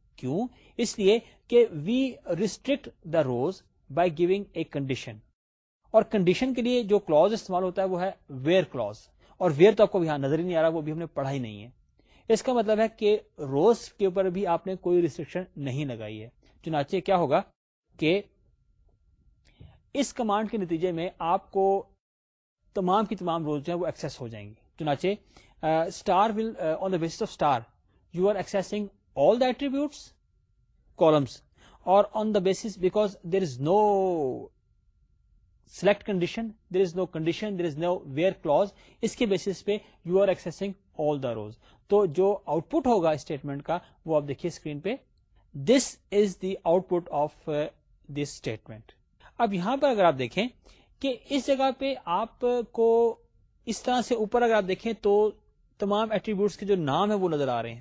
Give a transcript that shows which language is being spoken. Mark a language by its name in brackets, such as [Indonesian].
[Urdu] کیوں؟ اس لیے کہ [English] we restrict the rows by giving a condition, [Urdu] اور کنڈیشن کے لیے جو کلوز استعمال ہوتا ہے وہ ہے ویئر کلوز, اور ویئر تو آپ کو یہاں نظر ہی نہیں آ رہا, وہ بھی ہم نے پڑھا ہی نہیں ہے. اس کا مطلب ہے کہ روز کے اوپر بھی آپ نے کوئی ریسٹرکشن نہیں لگائی ہے. چنانچہ کیا ہوگا کہ اس کمانڈ کے نتیجے میں آپ کو تمام کی تمام روز جو ہیں وہ ایکسس ہو جائیں گے. [English] چنانچہ star will on the basis of star you are accessing all the attributes columns اور on the basis because there is no select condition there is no condition there is no where clause [Urdu] اس کے basis پہ [English] You are accessing all the rows. [Urdu] تو جو out put ہوگا statement کا وہ آپ دیکھیے اسکرین پہ, [English] This is the output of this statement. [Urdu] اب یہاں پر اگر آپ دیکھیں کہ اس جگہ پہ آپ کو اس طرح سے اوپر اگر آپ دیکھیں تو تمام ایٹریبیوٹس کے جو نام ہیں وہ نظر آ رہے ہیں.